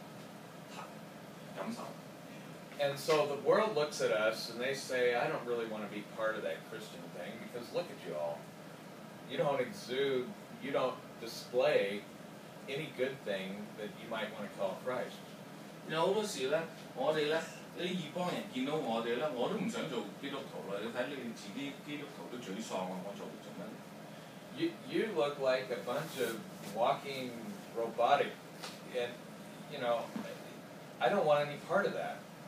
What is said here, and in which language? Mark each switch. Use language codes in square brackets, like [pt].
[yue] 如果神的核心不是這樣,我們怎麼面對祂那時候,得到這個醫治,面對祂那時候,我們得到一種好的感受。 [en] And so the world looks at us and they say, I don't really want to be part of that Christian thing because look at you all. You don't exude, you don't display any good thing that you might want to call Christ. [yue] 你看你自己的基督徒都沮喪,我做不做什麼? [en] You look like a bunch of walking robotic, and you know, I don't want any part of that.